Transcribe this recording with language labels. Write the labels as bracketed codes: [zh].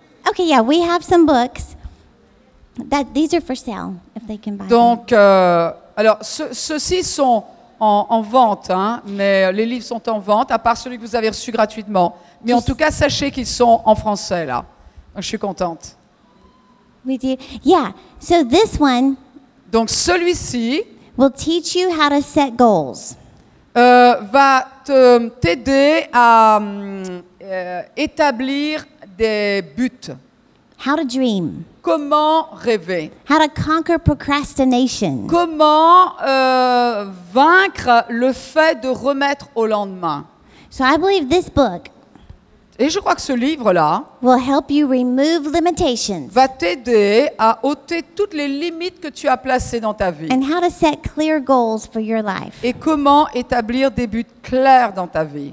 [en] Okay, yeah, we have some books that these are for sale if they can buy. [fr] Donc, alors, ceux-ci sont. En vente, hein, mais les livres sont en vente, à part celui que vous avez reçu gratuitement. Mais en tout cas, sachez qu'ils sont en français, là. Donc, je suis contente. [en] We do. Yeah. So this one, [fr] donc, celui-ci [en] will teach you how to set goals. [fr] Va t'aider à établir des buts. [en] How to dream. [fr] Comment rêver? [en] How to conquer procrastination. [fr] Comment vaincre le fait de remettre au lendemain? [en] So I believe this book. [fr] Et je crois que ce livre-là [en] will help you remove limitations. [fr] Va t'aider à ôter toutes les limites que tu as placées dans ta vie. [en] And how to set clear goals for your life. [fr] Et comment établir des buts clairs dans ta vie.